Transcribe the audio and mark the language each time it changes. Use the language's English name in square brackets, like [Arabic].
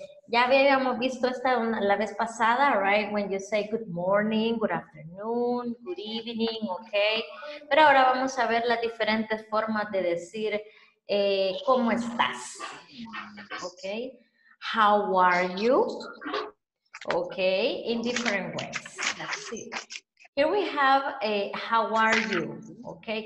[Spanish] Ya habíamos visto esta la vez pasada, right? [English] When you say good morning, good afternoon, good evening, okay? [Spanish] Pero ahora vamos a ver las diferentes formas de decir ¿cómo estás? [English] Okay? How are you? Okay? In different ways. That's it. Here we have a how are you? Okay?